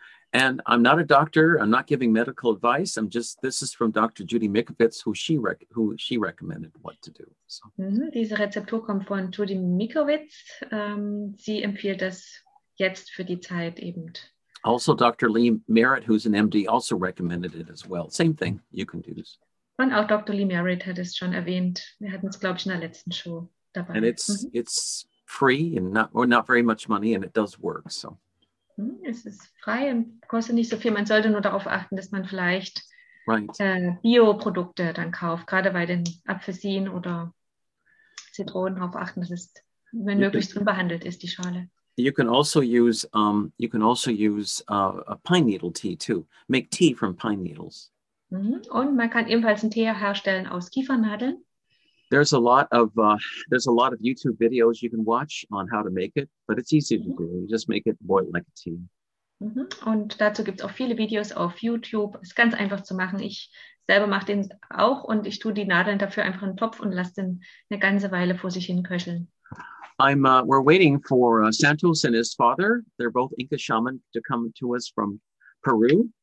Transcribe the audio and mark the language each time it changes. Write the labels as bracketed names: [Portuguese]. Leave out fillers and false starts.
[English] And I'm not a doctor. I'm not giving medical advice. I'm just, this is from Dr. Judy Mikovits, who she recommended what to do. So. [German] Mm-hmm. Diese Rezeptur kommt von Judy Mikovits. Sie empfiehlt das jetzt für die Zeit eben. [English] Also Dr. Lee Merritt, who's an MD, also recommended it as well. Same thing, you can do this. [German] Und auch Dr. Lee Merritt hat es schon erwähnt. Wir hatten es, glaube ich, in der letzten Show dabei. [English] And it's free and not very much money and it does work. So. [German] Es ist frei und kostet nicht so viel. Man sollte nur darauf achten, dass man vielleicht Bio-Produkte dann kauft, gerade bei den Apfelsinen oder Zitronen darauf achten, dass es, wenn möglichst drin behandelt ist, die Schale. [English] You can also use a pine needle tea too. Make tea from pine needles. [German] Und man kann ebenfalls einen Tee herstellen aus Kiefernadeln. [English] There's a lot of YouTube videos you can watch on how to make it, but it's easy to do. You just make it boil like a tea. [German] Und dazu gibt es auch viele Videos auf YouTube. Es ist ganz einfach zu machen. Ich selber mache den auch und ich tue die Nadeln dafür einfach in den Topf und lasse den eine ganze Weile vor sich hin köcheln. [English] We're waiting for Santos and his father. They're both Inca shaman to come to us from Peru.